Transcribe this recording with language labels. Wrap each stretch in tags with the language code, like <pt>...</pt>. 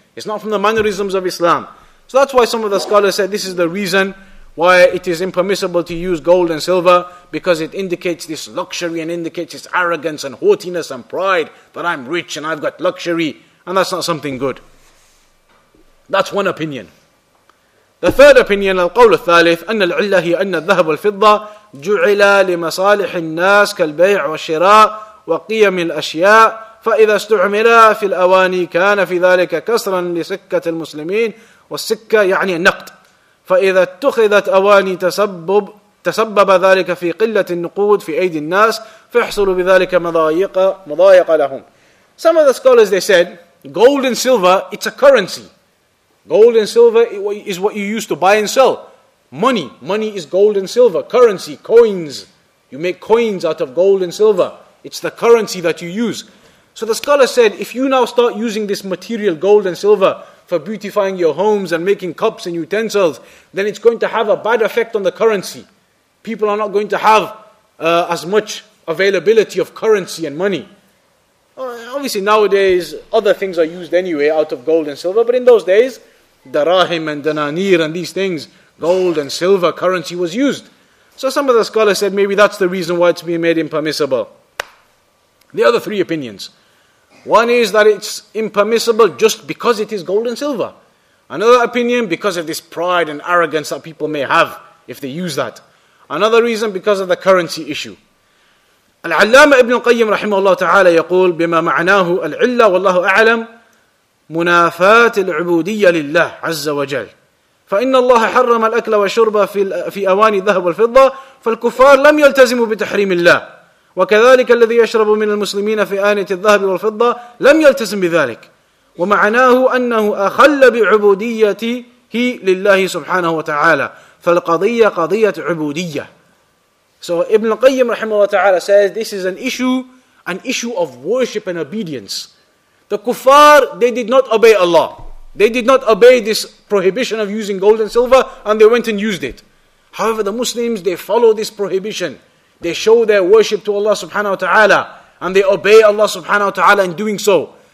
<en>It's not from the mannerisms of Islam. So that's why some of the scholars said this is the reason why it is impermissible to use gold and silver, because it indicates this luxury and indicates this arrogance and haughtiness and pride that I'm rich and I've got luxury. And that's not something good. That's one opinion. The third opinion,</en> <ar>القول الثالث, أن العلة هي أن الذهب والفضة جعل لمصالح الناس كالبيع والشراء وقيم الأشياء فإذا استعمل في الأواني كان في ذلك كسرا لسكة المسلمين والسكة يعني النقد فإذا اتخذت أواني تسبب ذلك في قلة النقود في أيدي الناس فيحصل بذلك مضايق لهم.</ar> <en>Some of the scholars, they said gold and silver, it's a currency. Gold and silver is what you use to buy and sell. Money. Money is gold and silver. Currency. Coins. You make coins out of gold and silver. It's the currency that you use. So the scholar said, if you now start using this material, gold and silver, for beautifying your homes and making cups and utensils, then it's going to have a bad effect on the currency. People are not going to have as much availability of currency and money. Obviously, nowadays, other things are used anyway out of gold and silver. But in those days, darahim and dananir and these things, gold and silver currency was used. So some of the scholars said maybe that's the reason why it's being made impermissible. The other three opinions. One is that it's impermissible just because it is gold and silver. Another opinion, because of this pride and arrogance that people may have if they use that. Another reason, because of the currency issue.</en> <ar>العلامة ابن القيم رحمه الله تعالى يقول بما معناه العلة والله أعلم منافاة العبودية لله عز وجل فإن الله حرم الأكل والشرب في أواني الذهب والفضة فالكفار لم يلتزموا بتحريم الله وكذلك الذي يشرب من المسلمين في آنية الذهب والفضة لم يلتزم بذلك ومعناه أنه أخل بعبوديته لله سبحانه وتعالى فالقضية قضية عبودية.</ar> <en>So Ibn al-Qayyim rahimahullah ta'ala says this is an issue of worship and obedience. The kuffar, they did not obey Allah. They did not obey this prohibition of using gold and silver, and they went and used it. However, the Muslims, they follow this prohibition. They show their worship to Allah subhanahu wa ta'ala, and they obey Allah subhanahu wa ta'ala in doing so.</en>